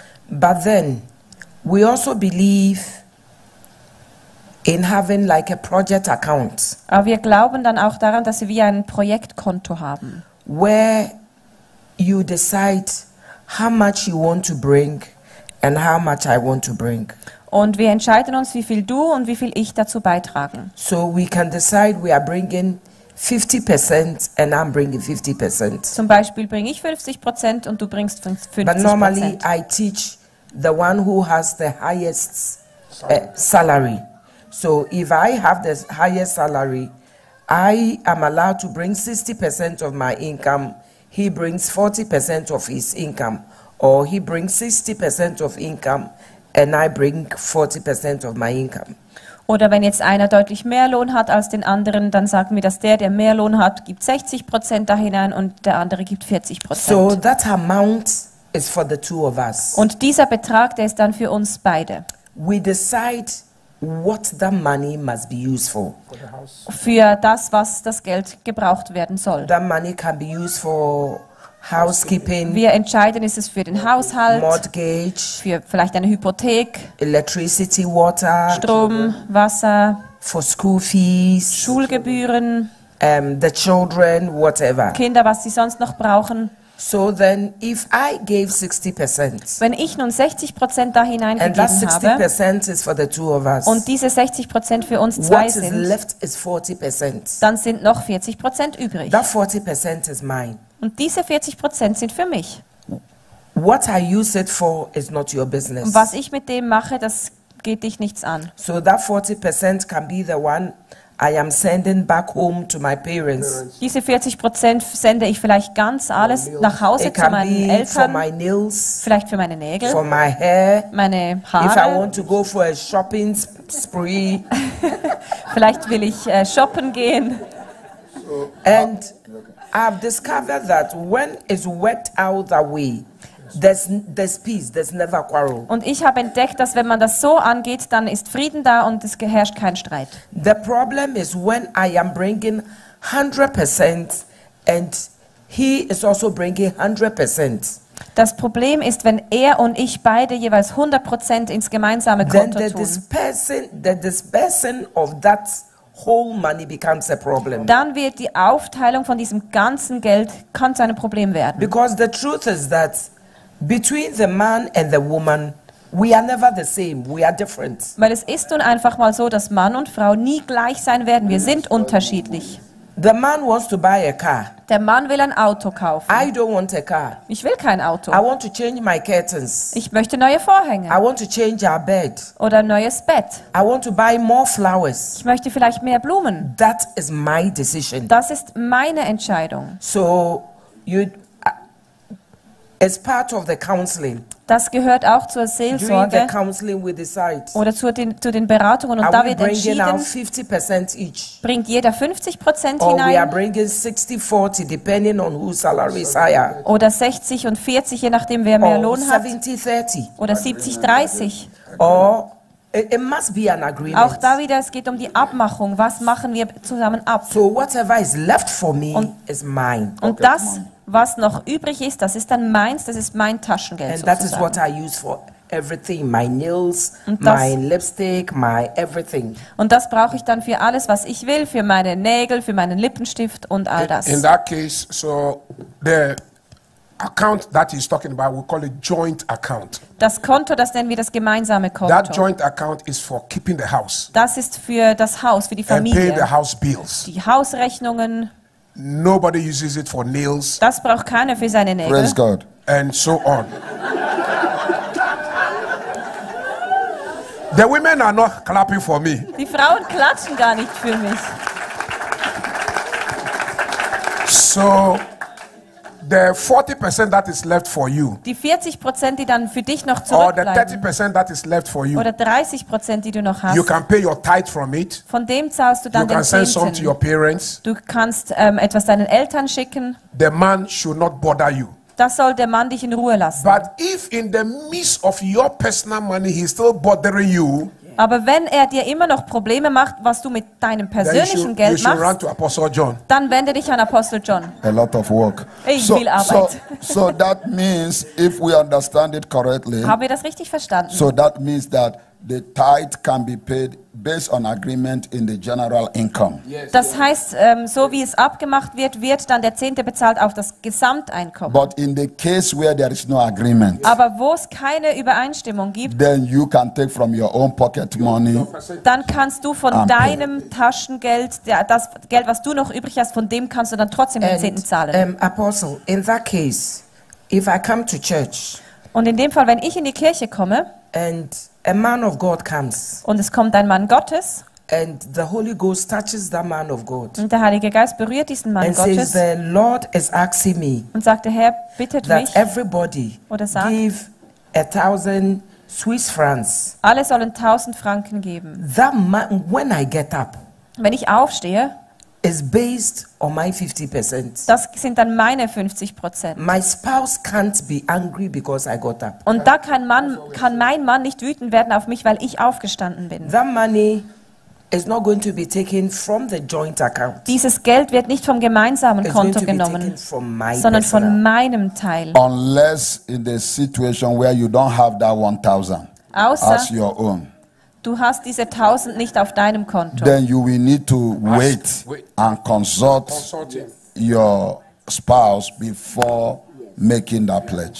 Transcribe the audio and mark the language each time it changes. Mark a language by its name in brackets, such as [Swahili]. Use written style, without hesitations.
[English] But then, we also believe in having like a project account. [German] Aber wir glauben dann auch daran, dass wir ein Projektkonto haben. [English] Where you decide how much you want to bring and how much I want to bring. [German] Und wir entscheiden uns, wie viel du und wie viel ich dazu beitragen. [English] So we can decide we are bringing 50% and I'm bringing 50%. [German] Zum Beispiel bringe ich 50% und du bringst 50%. [English] But normally I teach the one who has the highest salary. So if I have the highest salary, I am allowed to bring 60% of my income, he brings 40% of his income, or he brings 60% of income and I bring 40% of my income. [German] Oder wenn jetzt einer deutlich mehr Lohn hat als den anderen, dann sagen wir, dass der mehr Lohn hat, gibt 60% da hinein und der andere gibt 40%. [English] So that amount is for the two of us. [German] Und dieser Betrag, der ist dann für uns beide. [English] We decide what the money must be used for. [German] Für das, was das Geld gebraucht werden soll. [English] The money can be used for housekeeping. [German] Wir entscheiden, ist es für den Haushalt, [English] mortgage, [German] für vielleicht eine Hypothek, [English] electricity, water, [German] Strom, Wasser, [English] for school fees, [German] Schulgebühren, [English] the children, whatever. [German] Kinder, was sie sonst noch brauchen. [English] So then if I gave 60%, [German] wenn ich nun 60% da hineingegeben habe, [English] and that 60% is for the two of us, [German] und diese 60% für uns zwei [English] what [German] sind, [English] is left is 40%. [German] Dann sind noch 40% übrig. [English] That 40% is mine. [German] Und diese 40% sind für mich. [English] What I use it for is not your business. [German] Und was ich mit dem mache, das geht dich nichts an. [English] So that 40% can be the one I am sending back home to my parents. [German] Diese 40% sende ich vielleicht ganz alles nach Hause zu meinen Eltern. [English] For my nails, [German] vielleicht für meine Nägel. [English] For my hair, [German] meine Haare. [English] If I want to go for a shopping spree. [German] Vielleicht will ich shoppen gehen. [English] And I've discovered that when it's worked out that way, there's peace, there's never a quarrel. [German] Und ich habe entdeckt, dass wenn man das so angeht, dann ist Frieden da und es herrscht kein Streit. [English] The problem is when I am bringing 100% and he is also bringing 100%. [German] Das Problem ist, wenn er und ich beide jeweils 100% ins gemeinsame Konto tun. [English] Then the dispersion of that whole money becomes a problem. [German] Dann wird die Aufteilung von diesem ganzen Geld kann zu einem Problem werden. [English] Because the truth is that between the man and the woman, we are never the same. We are different. [German] Weil es ist nun einfach mal so, dass Mann und Frau nie gleich sein werden. Wir sind unterschiedlich. [English] The man wants to buy a car. [German] Der Mann will ein Auto kaufen. [English] I don't want a car. [German] Ich will kein Auto. [English] I want to change my curtains. [German] Ich möchte neue Vorhänge. [English] I want to change our bed. [German] Oder ein neues Bett. [English] I want to buy more flowers. [German] Ich möchte vielleicht mehr Blumen. [English] That is my decision. [German] Das ist meine Entscheidung. [English] So you as part of the counseling. [German] Das gehört auch zur Seelsorge. [English] During the counseling we decide, [German] oder zu den Beratungen. Und da wird entschieden, [English] out 50% each? [German] Bringt jeder 50% [English] or [German] hinein. [English] We are bringing 60-40, depending on whose salary is higher. [German] Oder 60 und 40, je nachdem, wer mehr [English] or [German] Lohn [English] 70-30. [German] Hat. Oder 70-30. [English] Or it must be an agreement. [German] Auch da wieder, es geht um die Abmachung. Was machen wir zusammen ab? [English] So whatever is left for me [German] und, [English] is mine. [German] Und okay, das, was noch übrig ist, das ist dann meins, das ist mein Taschengeld. [English] And that is what I use for everything, my nails, my lipstick, my everything. [German] Und das brauche ich dann für alles, was ich will, für meine Nägel, für meinen Lippenstift und all das. [English] In that case, so the account that he's talking about, we call it joint account. [German] Das Konto, das nennen wir das gemeinsame Konto. [English] That joint account is for keeping the house. [German] Das ist für das Haus, für die Familie. [English] And pay the house bills. [German] Die Hausrechnungen. [English] Nobody uses it for nails. [German] Das braucht keiner für seine Nägel. [English] Praise God. And so on. The women are not clapping for me. [German] Die Frauen klatschen gar nicht für mich. [English] So the 40% that is left for you. [German] Die 40%, die dann für dich noch zurückbleiben. [English] Or the 30% that is left for you. [German] Oder 30%, die du noch hast. [English] You can pay your tithe from it. [German] Von dem zahlst du dann den Zehnten. [English] You can send some to your parents. [German] Du kannst etwas deinen Eltern schicken. [English] The man should not bother you. [German] Das soll der Mann dich in Ruhe lassen. [English] But if in the midst of your personal money he's still bothering you. [German] Aber wenn er dir immer noch Probleme macht, was du mit deinem persönlichen Geld machst, dann wende dich an Apostel John. [English] A lot of work. [German] Viel Arbeit. [English] So that means, if we understand it correctly, [German] haben wir das richtig verstanden? [English] So that means that the tithe can be paid based on agreement in the general income. Yes. [German] Das heißt, so wie es abgemacht wird, wird dann der Zehnte bezahlt auf das Gesamteinkommen. [English] But in the case where there is no agreement, [German] aber wo es keine Übereinstimmung gibt, [English] then you can take from your own pocket money, [German] dann kannst du von deinem Taschengeld, das Geld, was du noch übrig hast, von dem kannst du dann trotzdem den Zehnten zahlen. [English] Apostle, in that case, if I come to church, [German] und in dem Fall, wenn ich in die Kirche komme, [English] and a man of God comes, [German] und es kommt ein Mann Gottes, [English] and the Holy Ghost touches the man of God, [German] und der Heilige Geist berührt diesen Mann [English] and [German] Gottes, [English] says the Lord is asking me, [German] und sagt der Herr bittet [English] that [German] mich, [English] everybody [German] oder sagt, [English] give 1,000 Swiss francs, [German] alle sollen 1,000 Franken geben. [English] That man, when I get up, [German] wenn ich aufstehe, [English] is based on my 50%. [German] Das sind dann meine 50%. [English] My spouse can't be angry because I got up. [German] Und da kann mein Mann nicht wütend werden auf mich, weil ich aufgestanden bin. [English] That money is not going to be taken from the joint account. [German] Dieses Geld wird nicht vom gemeinsamen Konto genommen, sondern von meinem Teil. [English] Unless in the situation where you don't have that 1,000 as your own. [German] Du hast diese 1,000 nicht auf deinem Konto. [English] Then you will need to wait and consult your spouse before making that pledge.